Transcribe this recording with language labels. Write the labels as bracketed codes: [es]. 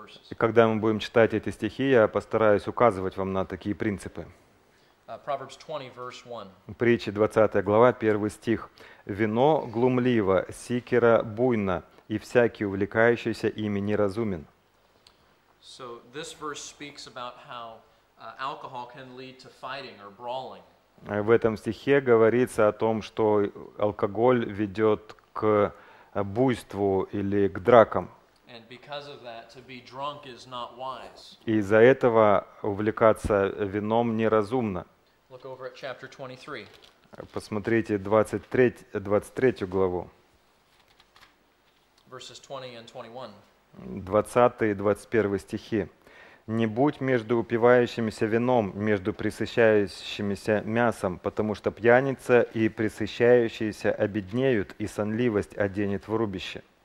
[ru] И когда мы будем читать эти стихи, я постараюсь указывать вам на такие принципы. [en] Proverbs 20, verse 1. [ru] Притчи 20 глава, 1 стих. «Вино глумливо, сикера буйно, и всякий, увлекающийся ими, неразумен». [en] So this verse speaks about how alcohol can lead to fighting or brawling. [ru] В этом стихе говорится о том, что алкоголь ведет к буйству или к дракам. [en] And because of that, to be drunk is not wise. [ru] И из-за этого увлекаться вином неразумно. [en] Look over at chapter 23. [ru] Посмотрите 23 главу. [en] Verses 20 and 21. [ru] 20 и 21 стихи. «Не будь между упивающимися вином, между пресыщающимися мясом, потому что пьяница и пресыщающиеся обеднеют, и сонливость оденет в рубище».